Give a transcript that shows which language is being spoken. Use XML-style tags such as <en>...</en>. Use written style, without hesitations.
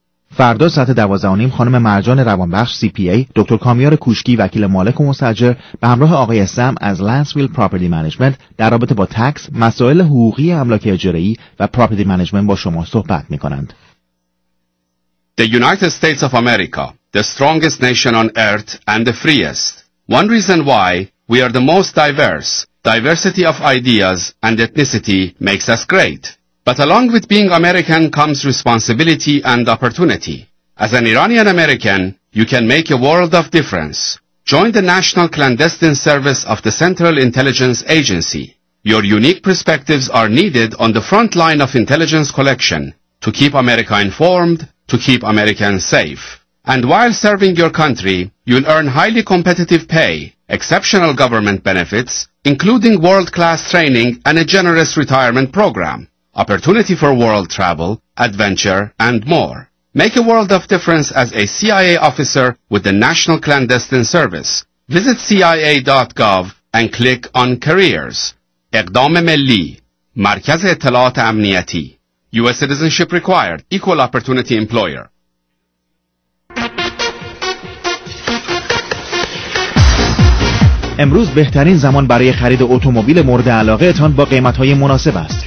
<fa>فردا ساعت 12:30 خانم مرجان روانبخش CPA، دکتر کامیار کوشکی وکیل مالک و مستاجر، به همراه آقای سم از لنسویل پراپرتی منیجمنت در رابطه با تکس، مسائل حقوقی املاک اجاره‌ای و پراپرتی منیجمنت با شما صحبت می‌کنند.</fa> <en>The United States of America, the strongest nation on earth and the freest. One reason why we are the most diverse. Diversity of ideas and ethnicity makes us great. But along with being American comes responsibility and opportunity. As an Iranian American, you can make a world of difference. Join the National Clandestine Service of the Central Intelligence Agency. Your unique perspectives are needed on the front line of intelligence collection to keep America informed, to keep Americans safe. And while serving your country, you'll earn highly competitive pay, exceptional government benefits, including world-class training and a generous retirement program, opportunity for world travel, adventure, and more. Make a world of difference as a CIA officer with the National Clandestine Service. Visit CIA.gov and click on Careers.</en> <fa>اقدام ملی، مرکز اطلاعات امنیتی.</fa> <en>U.S. citizenship required. Equal opportunity employer.</en> <fa>امروز بهترین زمان برای خرید اتومبیل مورد علاقه تان با قیمت‌های مناسب است.</fa>